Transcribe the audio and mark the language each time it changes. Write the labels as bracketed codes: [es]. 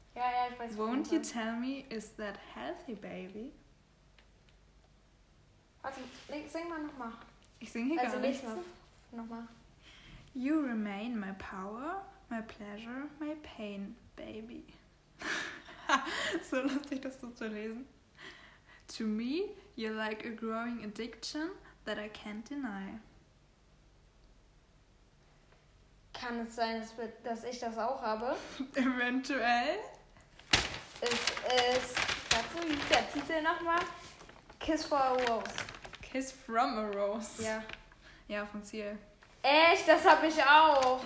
[de] Ja, ich weiß. [en] Won't you tell me, is that healthy, baby? [de] Warte, sing mal nochmal. Ich sing hier gar nicht. Nochmal. [en] You remain my power, my pleasure, my pain, baby. [de] So lustig, das so zu lesen. [en] To me, you're like a growing addiction that I can't deny. [de] Kann es sein, dass ich das auch habe? Eventuell. Es ist... Warte, wie ist der Titel nochmal? [en] Kiss for a Rose. Kiss from a Rose. [de] Ja. Ja, vom Ziel. Echt? Das habe ich auch.